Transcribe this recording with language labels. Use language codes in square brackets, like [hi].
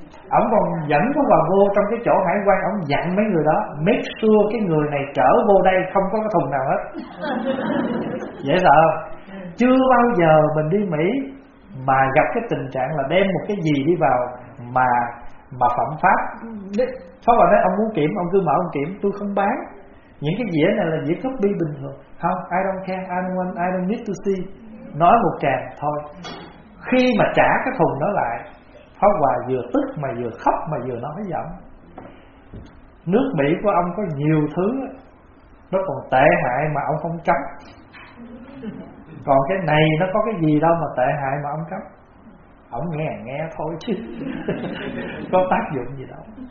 [vi] Ông còn dẫn Pháp Hòa vô trong cái chỗ hải quan, ông dặn mấy người đó [en] make sure [vi] cái người này trở vô đây không có cái thùng nào hết. Dễ sợ không? Chưa bao giờ mình đi Mỹ mà gặp cái tình trạng là đem một cái gì đi vào mà phạm pháp. Pháp Hòa nói ông muốn kiểm, ông cứ mở ông kiểm, tôi không bán. Những cái dĩa này là dĩa copy bình thường. Không, [en] I don't care, I don't need to see. [vi] Nói một tràng thôi. Khi mà trả cái thùng đó lại, Pháp Hòa vừa tức mà vừa khóc mà vừa nói giọng. Nước Mỹ của ông có nhiều thứ nó còn tệ hại mà ông không cấm. Còn cái này nó có cái gì đâu mà tệ hại mà ông cấm. Ông nghe nghe thôi chứ có tác dụng gì đâu.